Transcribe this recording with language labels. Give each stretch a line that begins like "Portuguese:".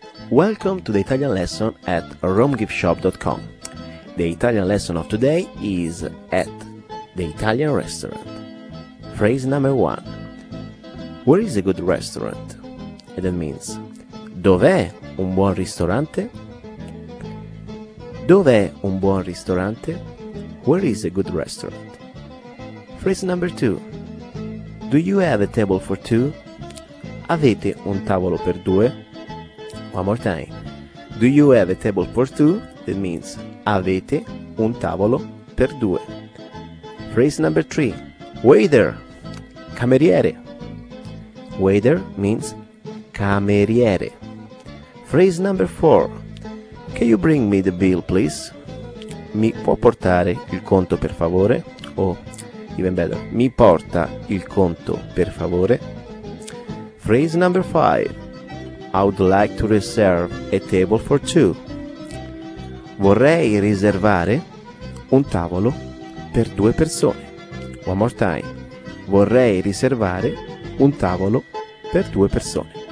English: Welcome to the Italian lesson at romgiftshop.com. The Italian lesson of today is at the Italian restaurant. Phrase number one. Where is a good restaurant? And that means,
Italian: dov'è un buon ristorante? Dov'è un buon ristorante?
English: Where is a good restaurant? Phrase number two. Do you have a table for two?
Italian: Avete un tavolo per due?
English: One more time. Do you have a table for two? That means,
Italian: avete un tavolo per due.
English: Phrase number three. Waiter.
Italian: Cameriere.
English: Waiter means cameriere. Phrase number four. Can you bring me the bill, please?
Italian: Mi può portare il conto, per favore?
English: Oh, even better.
Italian: Mi porta il conto, per favore?
English: Phrase number five. I would like to reserve a table for two.
Italian: Vorrei riservare un tavolo per due persone.
English: One more time.
Italian: Vorrei riservare un tavolo per due persone.